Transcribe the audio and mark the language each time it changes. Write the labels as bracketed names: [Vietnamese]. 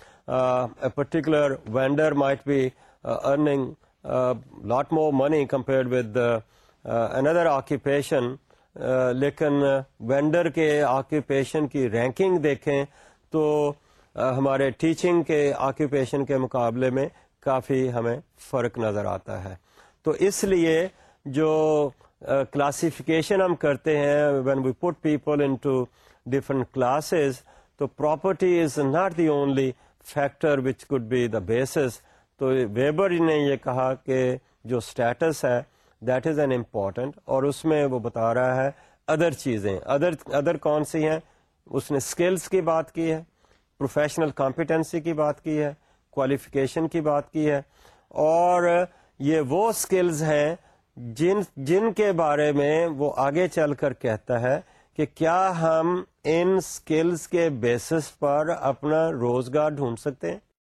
[English] a particular vendor might be earning lot more money compared with in their occupation, [Urdu] لیکن vendor کے occupation کی ranking دیکھیں تو ہمارے ٹیچنگ کے آکوپیشن کے مقابلے میں کافی ہمیں فرق نظر آتا ہے. تو اس لیے جو کلاسیفیکیشن ہم کرتے ہیں [English] When we put people into different classes, تو property is not the only factor which could be the basis. [Urdu] تو ویبر نے یہ کہا کہ جو اسٹیٹس ہے [English] that is an important, [Urdu] اور اس میں وہ بتا رہا ہے ادر چیزیں. ادر کون سی ہیں؟ اس نے اسکلس کی بات کی ہے, پروفیشنل کمپیٹنسی کی بات کی ہے, کوالیفیکیشن کی بات کی ہے, اور یہ وہ اسکلز ہیں جن کے بارے میں وہ آگے چل کر کہتا ہے کہ کیا ہم ان اسکلس کے بیسس پر اپنا روزگار ڈھونڈ سکتے ہیں.